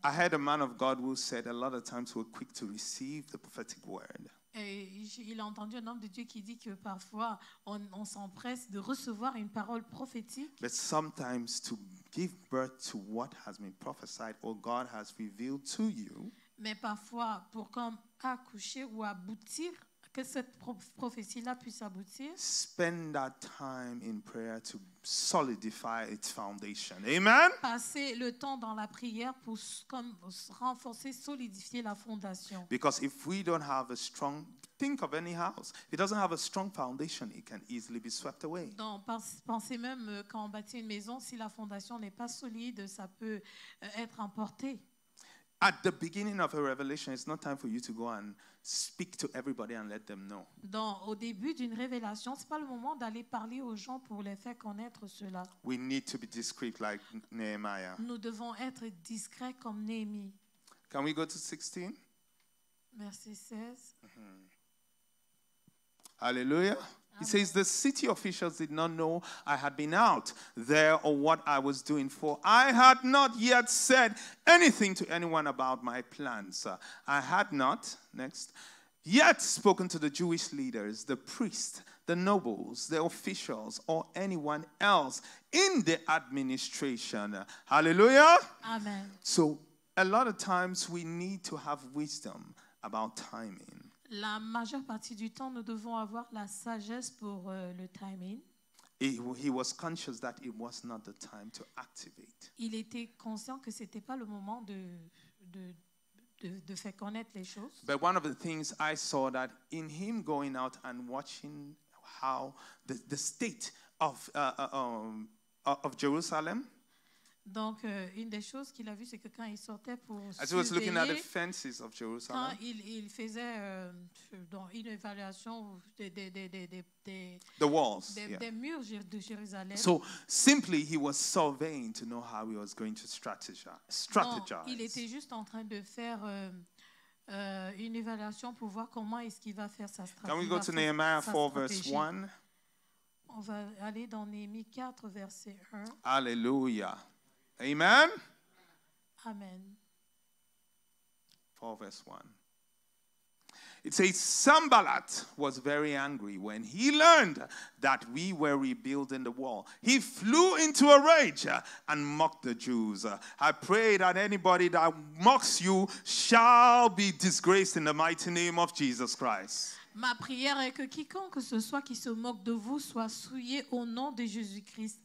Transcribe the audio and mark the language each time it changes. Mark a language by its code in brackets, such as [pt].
[en] I heard a man of God who said a lot of times we're quick to receive the prophetic word. [fr] Et il a entendu un homme de Dieu qui dit que parfois on s'empresse de recevoir une parole prophétique. [en] But sometimes to give birth to what has been prophesied or God has revealed to you. [fr] Mais parfois pour comme accoucher ou aboutir que cette prophétie là puisse aboutir. [en] Spend that time in prayer to solidify its foundation. Amen. [fr] Passer le temps dans la prière pour comme renforcer, solidifier la fondation. [en] Because if we don't have a strong, think of any house. If it doesn't have a strong foundation, it can easily be swept away. [fr] Donc pensez même quand on bâtit une maison, si la fondation n'est pas solide, ça peut être emporté. [en] At the beginning of a revelation, it's not time for you to go and speak to everybody and let them know. [fr] Donc au début d'une révélation, c'est pas le moment d'aller parler aux gens pour les faire connaître cela. [en] We need to be discreet like Nehemiah. [fr] Nous devons être discrets comme Néhémie. [en] Can we go to 16? [fr] Merci 16. Mm-hmm. [en] Hallelujah. He says, the city officials did not know I had been out there or what I was doing, for I had not yet said anything to anyone about my plans. I had not, next, yet spoken to the Jewish leaders, the priests, the nobles, the officials, or anyone else in the administration. Hallelujah. Amen. So a lot of times we need to have wisdom about timing. [fr] La majeure partie du temps, nous devons avoir la sagesse pour le timing. [en] He was conscious that it was not the time to activate. [fr] Il était conscient que c'était pas le moment de faire connaître les choses. [en] But one of the things I saw that in him going out and watching how the state of Jerusalem. [fr] Donc, une des choses qu'il a vu, c'est que quand il sortait pour surveiller, quand il faisait une évaluation des murs de Jérusalem. [en] So, simply, he was surveying to know how he was going to strategize. [fr] Donc, il était juste en train de faire une évaluation pour voir comment est-ce qu'il va faire sa stratégie. [en] Can we go to Nehemiah 4, verse 1? [fr] On va aller dans Néhémie 4, verset 1. Alléluia. Amen. Amen. [en] 4 verse 1. It says, Sambalat was very angry when he learned that we were rebuilding the wall. He flew into a rage and mocked the Jews. I pray that anybody that mocks you shall be disgraced in the mighty name of Jesus Christ. [fr] Ma prière est que quiconque ce soit qui se moque de vous soit souillé au nom de Jésus-Christ.